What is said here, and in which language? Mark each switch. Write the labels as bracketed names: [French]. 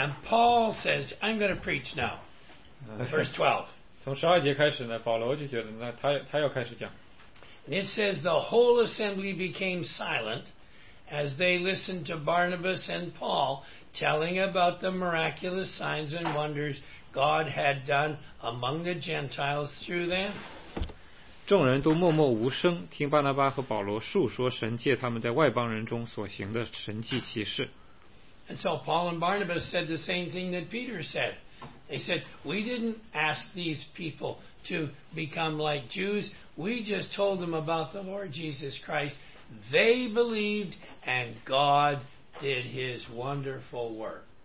[English] And Paul says, "I'm going to preach now." Verse 12. [Chinese] 从十二节开始呢，保罗就觉得那他要开始讲。 [English] And it says the whole assembly became silent as they listened to Barnabas and Paul telling about the miraculous signs and wonders God had done among the Gentiles through them. [Chinese] 众人都默默无声，听巴拿巴和保罗述说神借他们在外邦人中所行的神迹奇事。 [English] And so Paul and Barnabas said the same thing that Peter said. They said, we didn't ask these people to become like Jews. We just told them about the Lord Jesus Christ. They believed, and God did His wonderful work.